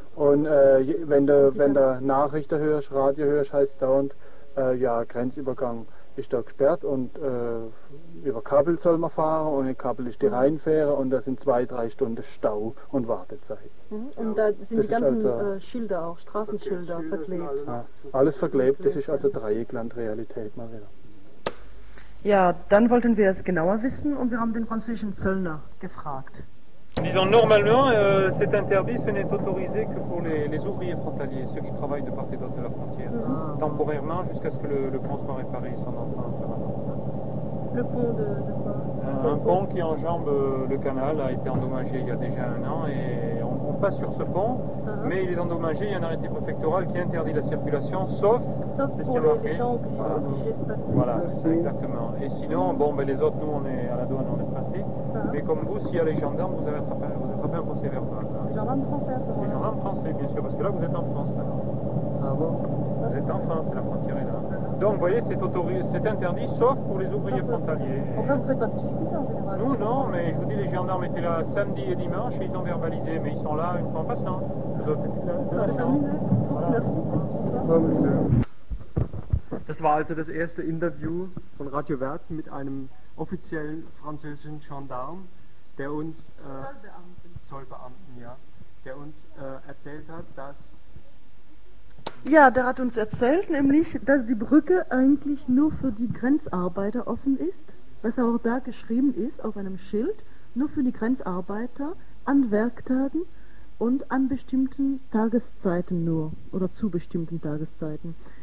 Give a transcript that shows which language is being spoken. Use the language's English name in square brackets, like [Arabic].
[German] Und wenn du Nachrichten hörst, Radio hörst, heißt es dauernd, ja, Grenzübergang ist da gesperrt und über Kabel soll man fahren und in Kabel ist die Rheinfähre und da sind 2-3 Stunden Stau und Wartezeit. Mhm. Und da sind das die ganzen also Schilder auch, Straßenschilder verklebt. Alles verklebt, das ist also Dreieckland-Realität mal wieder. Ja, dann wollten wir es genauer wissen und wir haben den französischen Zöllner gefragt. [French] Disons, normalement, cet interdit, ce n'est autorisé que pour les ouvriers frontaliers, ceux qui travaillent de part et d'autre de la frontière, temporairement, jusqu'à ce que le pont soit réparé, sans enfin. Le pont de quoi? Un pont qui enjambe le canal a été endommagé il y a déjà un an, et on passe sur ce pont, mais il est endommagé, il y a un arrêté préfectoral qui interdit la circulation, sauf c'est ce pour les gens qui sont obligés de passer. Voilà, c'est exactement. Et sinon, bon, ben les autres, nous, on est à la douane, on est passés. Mais comme vous, s'il y a les gendarmes, vous avez attrapé un procès verbal. Hein. Les gendarmes français, à ce moment-là. Les gendarmes français, bien sûr, parce que là, vous êtes en France, maintenant. Ah bon? Vous êtes en France, la frontière est là. Donc, vous voyez, c'est interdit, sauf pour les ouvriers frontaliers. On ne fait pas de suite, en général. Nous, non, mais je vous dis, les gendarmes étaient là samedi et dimanche, et ils ont verbalisé, mais ils sont là une fois en passant. Vous êtes là, monsieur. [German] Das war also das erste Interview von Radio Wert mit einem offiziellen französischen Gendarme, der uns Zollbeamten, ja, der uns erzählt hat, dass... Ja, der hat uns erzählt, nämlich, dass die Brücke eigentlich nur für die Grenzarbeiter offen ist, was auch da geschrieben ist auf einem Schild, nur für die Grenzarbeiter an Werktagen und an bestimmten Tageszeiten nur oder zu bestimmten Tageszeiten.